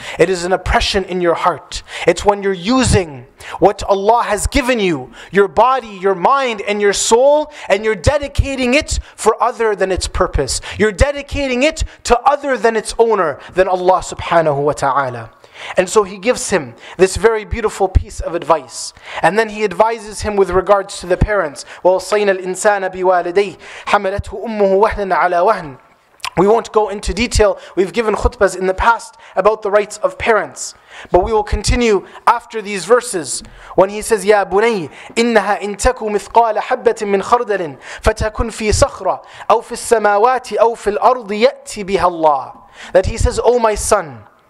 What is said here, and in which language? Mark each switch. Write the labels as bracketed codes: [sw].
[en] It is an oppression in your heart. It's when you're using what Allah has given you, your body, your mind, and your soul, and you're dedicating it for other than its purpose. You're dedicating it to other than its owner, than Allah subhanahu wa ta'ala. And so he gives him this very beautiful piece of advice. And then he advises him with regards to the parents. [ar] وَوَصَّيْنَا الْإِنسَانَ بِوَالِدَيْهِ حَمَلَتْهُ أُمُّهُ وَهْنًا عَلَى وَهْنٍ [en] We won't go into detail. We've given khutbas in the past about the rights of parents. But we will continue after these verses. When he says, [ar] يَا بُنَيْ إِنَّهَا إِنْ تَكُ مِثْقَالَ حَبَّةٍ مِّنْ خَرْدَلٍ فَتَكُنْ فِي صَخْرَ أَوْ فِي السَّمَاوَاتِ أَوْ فِي الْأَرْضِ يَأْتِ بِهَا اللَّهِ [en] That he says, Oh my son,